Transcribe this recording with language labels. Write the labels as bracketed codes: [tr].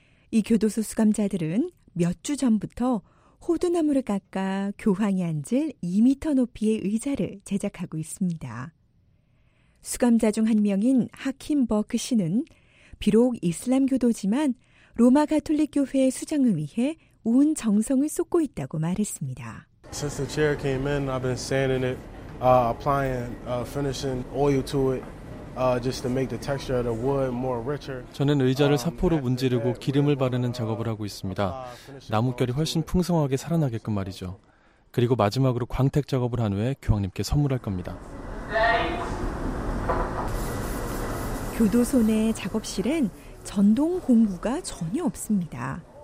[ko] 이 교도소 수감자들은 몇 주 전부터 호두나무를 깎아 교황이 앉을 2m 높이의 의자를 제작하고 있습니다. 수감자 중 한 명인 하킴 버크 씨는 비록 이슬람교도지만 로마 가톨릭교회의 수장을 위해 온 정성을 쏟고 있다고 말했습니다. [en] Since the chair came in, I've been sanding it, applying, finishing oil to it, just to make the texture of the wood more richer. [ko] 저는 의자를 사포로 문지르고 기름을 바르는 작업을 하고 있습니다. 나뭇결이 훨씬 풍성하게 살아나게끔 말이죠. 그리고 마지막으로 광택 작업을 한 후에 교황님께 선물할 겁니다. 교도소 내 작업실엔 전동 공구가 전혀 없습니다.